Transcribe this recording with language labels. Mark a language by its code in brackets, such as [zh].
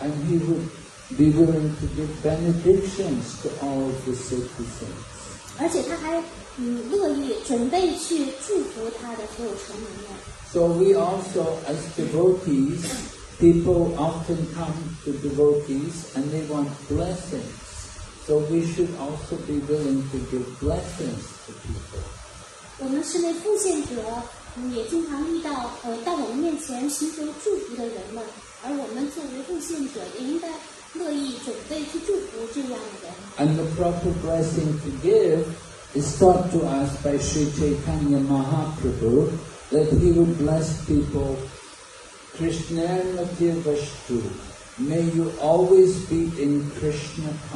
[en] And he would be willing to give benedictions to all of the citizens. [zh] 而且他还乐意准备去祝福他的所有成员。 [en] So we also, as devotees, people often come to devotees and they want blessings. So we should also be willing to give blessings to people. [zh] 我们身为奉献者也经常遇到到我们面前寻求祝福的人们，而我们作为奉献者也应该乐意准备去祝福这样的人。 [en] And the proper blessing to give is taught to us by Sri Chaitanya Mahaprabhu, that he would bless people, Krishna Mativashtu, may you always be in Krishna